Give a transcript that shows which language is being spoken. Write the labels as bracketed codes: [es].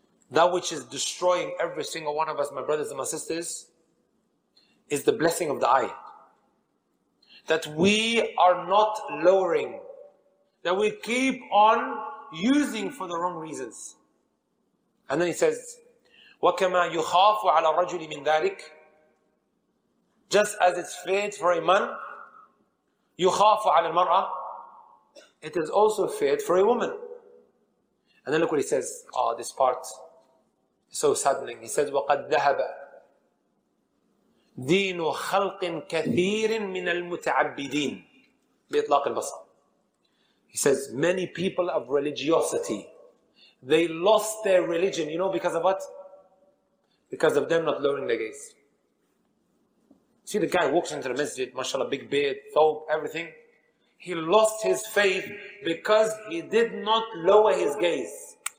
[en] That which is destroying every single one of us, my brothers and my sisters, is the blessing of the eye. That we are not lowering. That we keep on using for the wrong reasons. And then he says, [ar] وَكَمَا يُخَافُ عَلَى الرَّجُلِ مِنْ ذَلِكَ. [en] Just as it's feared for a man, [ar] يُخَافُ عَلَى الْمَرْأَةِ, [en] it is also feared for a woman. And then look what he says. Oh, this part is so saddening. He says, [ar] وَقَدْ ذَهَبَ دِينُ خَلْقٍ كَثِيرٍ مِنَ الْمُتَعَبِّدِينَ بِإِطْلَاقِ الْبَصَرِ. [en] He says, many people of religiosity, they lost their religion. You know because of what? Because of them not lowering their gaze. See, the guy walks into the masjid, mashallah, big beard, thawb, everything. He lost his faith because he did not lower his gaze.